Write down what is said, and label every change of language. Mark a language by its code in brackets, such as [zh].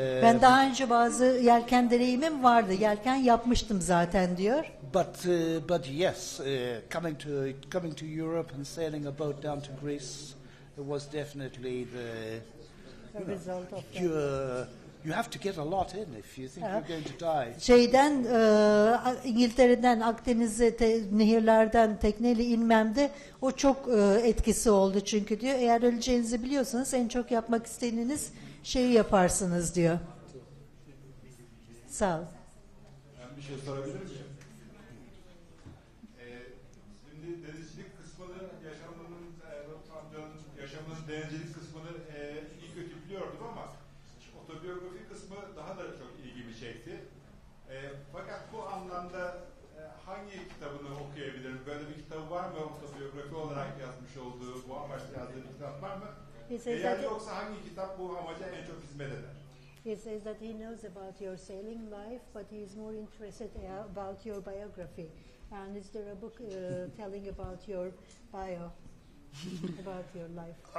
[tr] ben daha önce bazı yelken deneyimim vardı. Yelken yapmıştım zaten diyor. [en] But yes, coming to Europe and sailing a boat down to Greece was definitely the result of that. You have to get a lot in if you think you're going to die. [tr] Şeyden İngiltere'den Akdeniz'e nehirlerden tekneyle inmemde o çok etkisi oldu çünkü diyor. Eğer öleceğinizi biliyorsanız en çok yapmak istediğiniz şeyi yaparsınız diyor. Sağ ol. Ben bir şey sorabilir miyim? Şimdi denizcilik kısmını yaşamının denizcilik kısmını iyi kötü biliyordum ama otobiyografi kısmı daha da çok ilgimi çekti. Fakat bu anlamda hangi kitabını okuyabilirim? Böyle bir kitap var mı? Otobiyografi olarak yazmış olduğu, bu amaçla yazdığı bir kitap var mı? Eğer yoksa hangi kitap bu amaca en çok hizmet eder? [en] He says that he knows about your sailing life, but he is more interested about your biography. And is there a book telling about your bio, about your life?